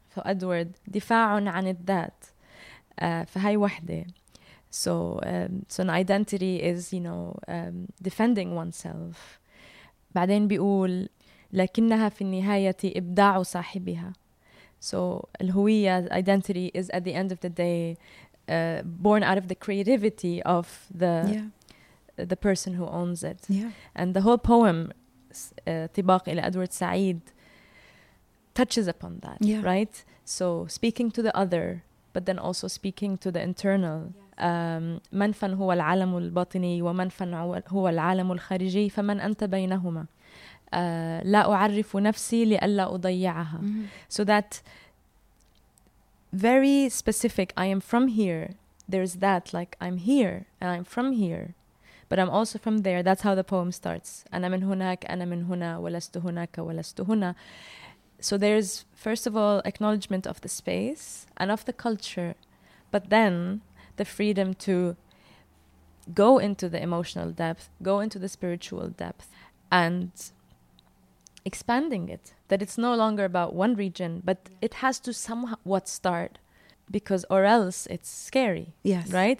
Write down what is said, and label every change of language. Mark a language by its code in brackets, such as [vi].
[ar] So Edward, دفاع عن الذات فهي وحدة. [en] So an identity is, you know, defending oneself. [ar] بعدين بيقول لكنها في النهاية إبداع صاحبها. [en] So الهوية, identity is at the end of the day born out of the creativity of the person who owns it. Yeah. And the whole poem, طباق إلى Edward Said, touches upon that, right? So speaking to the other, but then also speaking to the internal. [ar] من فن هو العالم الباطني ومن فن هو العالم الخارجي فمن أنت بينهما لا أعرف نفسي لألا أضيعها. [en] So that very specific, I am from here. There's that, like, I'm here and I'm from here, but I'm also from there. That's how the poem starts. [ar] أنا من هناك أنا من هنا ولست هناك ولست هنا. [en] So there's, first of all, acknowledgement of the space and of the culture, but then the freedom to go into the emotional depth, go into the spiritual depth, and expanding it, that it's no longer about one region, but it has to somewhat start, because or else it's scary, right?